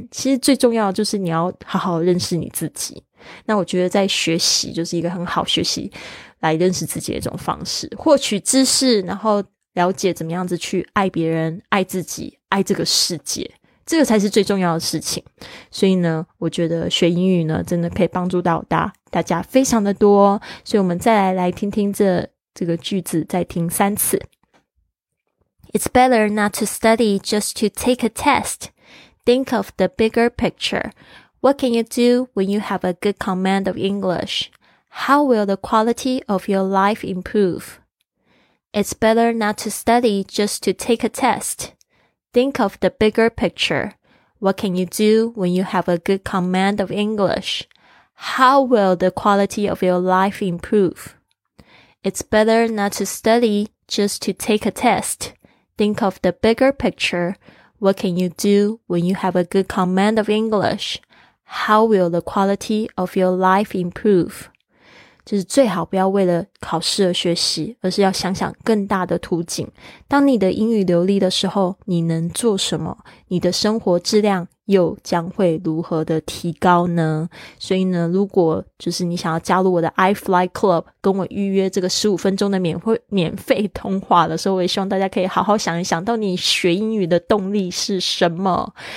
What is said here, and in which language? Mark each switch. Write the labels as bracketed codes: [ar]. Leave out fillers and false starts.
[zh] 其实最重要的就是你要好好认识你自己。那我觉得在学习就是一个很好学习来认识自己的一种方式，获取知识，然后了解怎么样子去爱别人，爱自己，爱这个世界，这个才是最重要的事情。所以呢，我觉得学英语呢真的可以帮助到大家非常的多、哦、所以我们再来听听这个句子，再听三次。 [en] It's better not to study just to take a test. Think of the bigger picture. What can you do when you have a good command of English? How will the quality of your life improve? It's better not to study just to take a test. Think of the bigger picture. What can you do when you have a good command of English? How will the quality of your life improve? It's better not to study just to take a test. Think of the bigger picture. What can you do when you have a good command of English? How will the quality of your life improve? [zh] 就是最好不要为了考试而学习，而是要想想更大的途径。当你的英语流利的时候，你能做什么？你的生活质量又将会如何的提高呢？所以呢，如果就是你想要加入我的 iFly Club， 跟我预约这个15分钟的免费通话的时候，我也希望大家可以好好想一想，到底学英语的动力是什么。